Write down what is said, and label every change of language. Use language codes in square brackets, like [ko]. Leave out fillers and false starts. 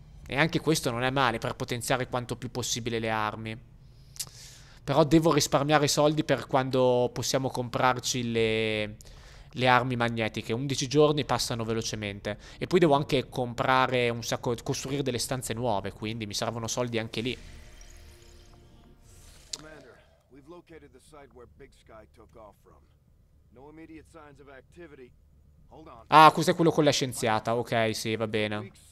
[it] E anche questo non è male per potenziare quanto più possibile le armi. Però devo risparmiare soldi per quando possiamo comprarci le armi magnetiche. 11 giorni passano velocemente. E poi devo anche comprare un sacco, costruire delle stanze nuove, quindi mi servono soldi anche lì. [en] Commander, we've located the site where Big Sky took off from. No immediate signs of activity. Hold on. [it] Ah, questo è quello con la scienziata. Ok, sì, va bene.